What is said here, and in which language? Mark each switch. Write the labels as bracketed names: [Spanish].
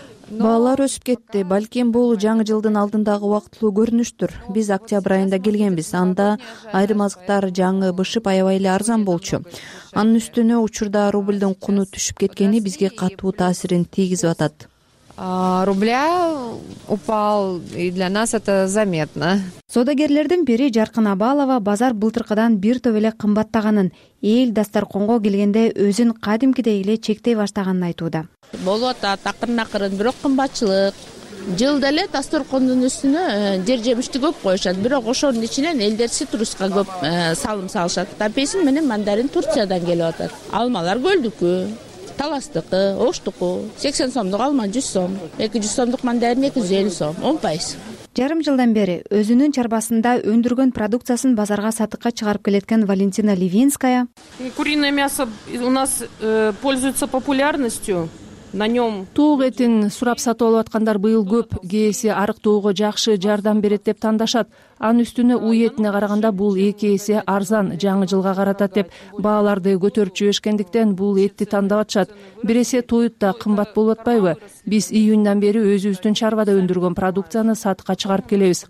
[Kyrgyz] Баалар өсүп кетти. Балким бул жаңы жылдын алдындагы убактылуу көрүнүштүр. Биз октябрь айында келгенбиз. Анда айрым азыктар жаңы бышып аябай эле арзан болчу. Анын үстүнө учурда рубльдун куну түшүп кеткени бизге катуу таасирин тийгизип атат. [Russian] Рубля упал, и для нас это заметно. [Kyrgyz] Соодагерлердин бири Жаркын Абалова базар былтыркыдан бир топ эле кымбаттаганын, эл дасторконго келгенде өзүн кадимкидей эле чектей баштаганын айтууда. Болуп атат акырын-акырын, бирок кымбатчылык. Жылда эле дасторкондун үстүнө жер жемишти көп коюшат, бирок ошонун ичинен элдер ситруска көп салым салышат. Апельсин менен мандарин Турциядан келип атат. Алмалар көлдүкү, Таластыкы, Оштуку. 80 сомдук алма 100 сом, 200 сомдук мандарин 250 сом, 10%. Жарым жылдан бери өзүнүн чарбасында өндүргөн продукциясын базарга сатыкка чыгарып келеткен Валентина Левинская. [Russian] Куриное мясо у нас пользуется популярностью. [Kyrgyz] Туук этин сурап сатып алып аткандар быйыл көп, кээси арыктоого жакшы жардам берет деп тандашат. Анын үстүнө уй этине караганда бул эки эсе арзан, жаңы жылга каратат деп бааларды көтөрүп жиберишкендиктен бул этти тандап атышат. Биресе тоют да кымбат болуп атпайбы? Биз июндан бери өзүбүздүн чарбада өндүргөн продукцияны сатыкка чыгарып келебиз.